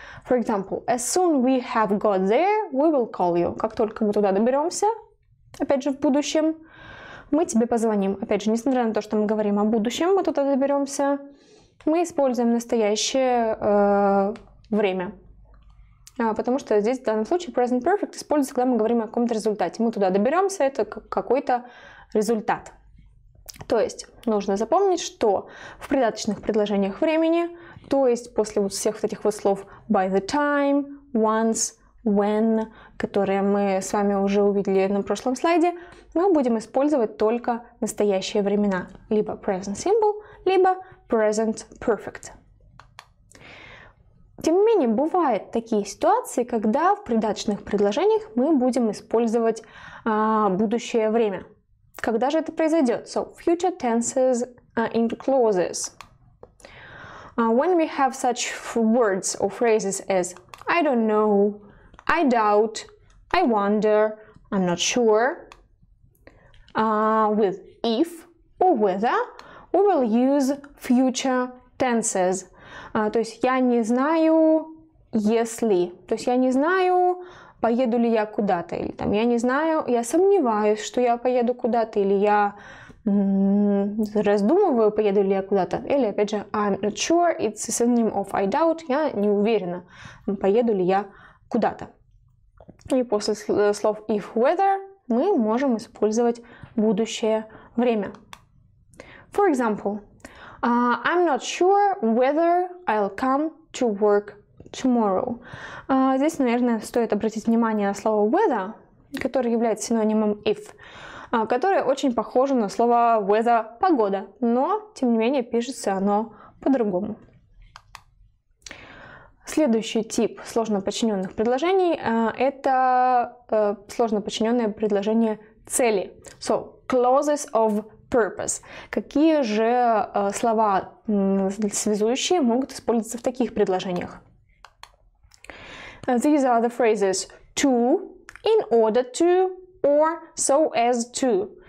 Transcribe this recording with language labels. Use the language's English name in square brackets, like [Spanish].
[English] For example, as soon we have got there, we will call you. [Russian] Как только мы туда доберемся, опять же, в будущем, мы тебе позвоним. Опять же, несмотря на то, что мы говорим о будущем, мы туда доберемся, мы используем настоящее время. Потому что здесь, в данном случае, present perfect используется, когда мы говорим о каком-то результате. Мы туда доберемся, это какой-то результат. То есть, нужно запомнить, что в придаточных предложениях времени, то есть после вот всех вот этих вот слов by the time, once, when, которые мы с вами уже увидели на прошлом слайде, мы будем использовать только настоящие времена. Либо present simple, либо present perfect. Тем не менее, бывают такие ситуации, когда в придаточных предложениях мы будем использовать будущее время. Когда же это произойдет? [English] So, future tenses into clauses. When we have such words or phrases as I don't know, I doubt, I wonder, I'm not sure, with if or whether, we will use future tenses. [Russian] То есть я не знаю, если. То есть я не знаю, поеду ли я куда-то, или там я не знаю, я сомневаюсь, что я поеду куда-то, или я раздумываю, поеду ли я куда-то, или опять же I'm not sure, it's a synonym of I doubt, я не уверена, поеду ли я куда-то. И после слов if whether мы можем использовать будущее время. [English] For example, I'm not sure whether I'll come to work tomorrow. [Russian] Здесь, наверное, стоит обратить внимание на слово whether, которое является синонимом if, которое очень похоже на слово weather – погода, но, тем не менее, пишется оно по-другому. Следующий тип сложно подчиненных предложений – это сложно подчиненное предложение цели. [English] So, clauses of purpose. [Russian] Какие же слова связующие могут использоваться в таких предложениях? [English] These are the phrases to, in order to, or so as to.